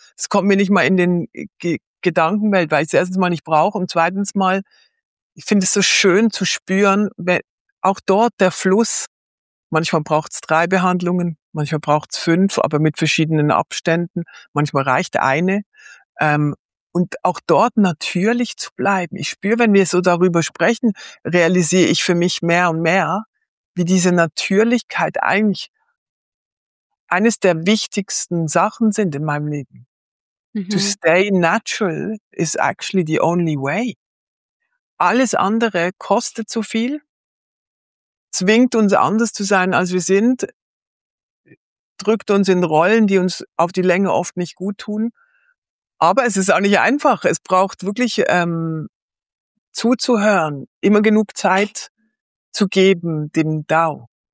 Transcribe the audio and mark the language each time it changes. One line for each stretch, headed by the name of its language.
German: Das kommt mir nicht mal in den Gedankenwelt, weil ich es erstens mal nicht brauche und zweitens mal, ich finde es so schön zu spüren, auch dort der Fluss, manchmal braucht es drei Behandlungen, manchmal braucht es fünf, aber mit verschiedenen Abständen, manchmal reicht eine. Und auch dort natürlich zu bleiben. Ich spüre, wenn wir so darüber sprechen, realisiere ich für mich mehr und mehr, wie diese Natürlichkeit eigentlich eines der wichtigsten Sachen sind in meinem Leben. Mhm.
English: To stay natural is actually the only way.
German: Alles andere kostet zu viel, zwingt uns anders zu sein, als wir sind, drückt uns in Rollen, die uns auf die Länge oft nicht gut tun. Aber es ist auch nicht einfach. Es braucht wirklich zuzuhören, immer genug Zeit zu geben, dem Tao.